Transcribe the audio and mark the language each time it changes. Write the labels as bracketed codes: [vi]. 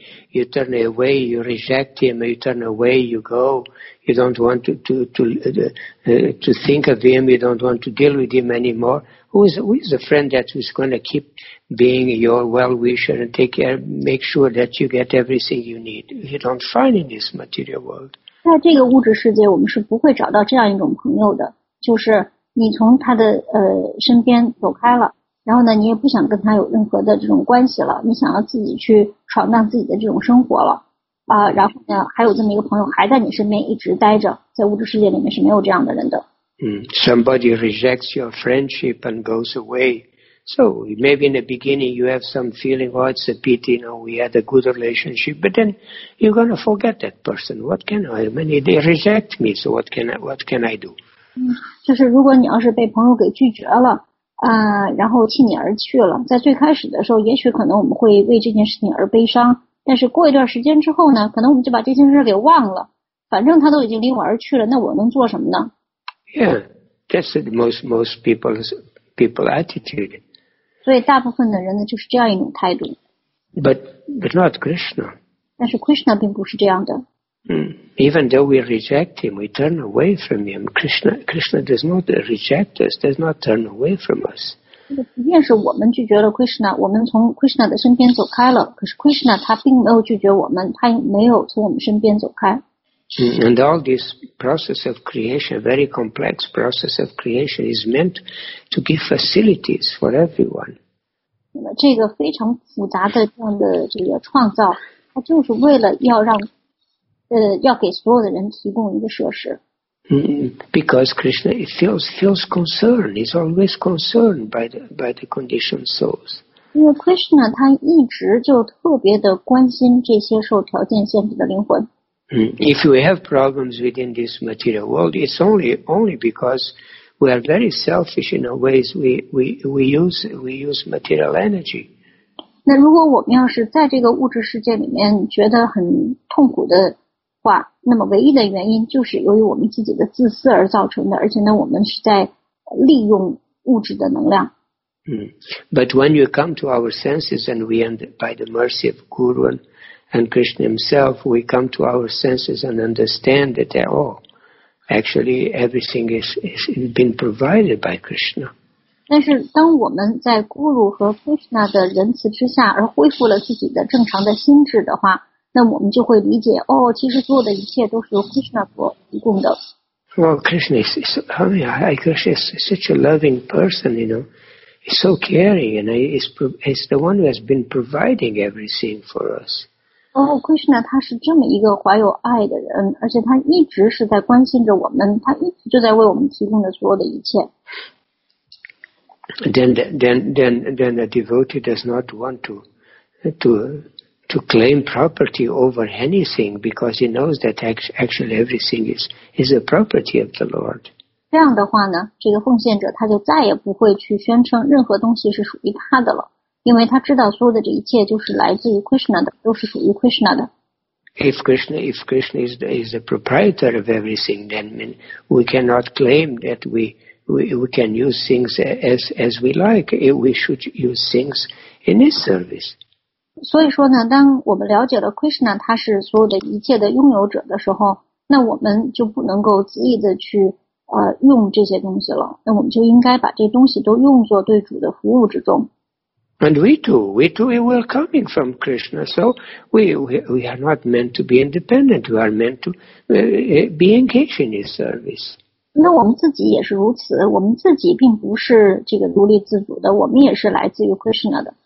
[en] You turn away, you reject him, you turn away, you go. You don't want to think of him, you don't want to deal with him anymore. Who is a friend that is going to keep being your well-wisher and take care, make sure that you get everything you need? You don't find in this material world. [zh] 在这个物质世界，我们是不会找到这样一种朋友的，就是你从他的身边走开了。然后呢，你也不想跟他有任何的这种关系了，你想要自己去闯荡自己的这种生活了啊。然后呢，还有这么一个朋友还在你身边一直待着，在物质世界里面是没有这样的人的。 [en] Somebody rejects your friendship and goes away. So maybe in the beginning you have some feeling, oh, it's a pity, you know, we had a good relationship, but then you're gonna forget that person. What can I? Many they reject me, so what can I do? [zh] 就是如果你要是被朋友给拒绝了。然后弃你而去了。在最开始的时候，也许可能我们会为这件事情而悲伤，但是过一段时间之后呢，可能我们就把这件事给忘了。反正他都已经离我而去了，那我能做什么呢？ [en] Yeah, that's the most people's attitude. [zh] 所以大部分的人呢，就是这样一种态度。 [en] But not Krishna. [zh] 但是 Krishna 并不是这样的。 [en] Even though we reject him, we turn away from him. Krishna does not reject us, does not turn away from us. [zh] 即便是我们拒绝了 Krishna, 我们从 Krishna 的身边走开了，可是 Krishna 他并没有拒绝我们，他没有从我们身边走开。 [en] And all this process of creation, very complex process of creation, is meant to give facilities for everyone. [zh] 这个非常复杂的这样的这个创造，它就是为了要让要给所有的人提供一个设施。 [en] Because Krishna feels concerned, he's always concerned by the conditioned souls. [zh] 因为 Krishna 他一直就特别的关心这些受条件限制的灵魂。 [en] If we have problems within this material world, it's only because we are very selfish in our ways. We use material energy. [zh] 那如果我们要是在这个物质世界里面觉得很痛苦的。话那么唯一的原因就是由于我们自己的自私而造成的，而且呢，我们是在利用物质的能量。 [en] But when you come to our senses and we end by the mercy of Guru and Krishna himself, we come to our senses and understand that they're all actually everything is been provided by Krishna. [zh] 但是当我们在 Guru 和 Krishna 的仁慈之下而恢复了自己的正常的心智的话。那我们就会理解哦，其实所有的一切都是由 Krishna 所提供的。 [en] Well, Krishna is such a loving person, you know. He's so caring, and he's the one who has been providing everything for us. [zh] Krishna 他是这么一个怀有爱的人，而且他一直是在关心着我们，他一直就在为我们提供着所有的一切。 [en] Then the devotee does not want to claim property over anything because he knows that actually everything is a property of the Lord. [zh] 这样的话呢，这个奉献者他就再也不会去宣称任何东西是属于他的了，因为他知道所有的这一切就是来自于 Krishna 的，都是属于 Krishna 的。 [en] If Krishna is the proprietor of everything, then we cannot claim that we can use things as we like. We should use things in his service. [zh] 所以说呢，当我们了解了 Krishna 他是所有的一切的拥有者的时候，那我们就不能够恣意的去用这些东西了。那我们就应该把这些东西都用作对主的服务之中。 [en] And we too, we are coming from Krishna, so we are not meant to be independent. We are meant to be engaged in His service. [zh] 那我们自己也是如此。我们自己并不是这个独立自主的，我们也是来自于 Krishna 的。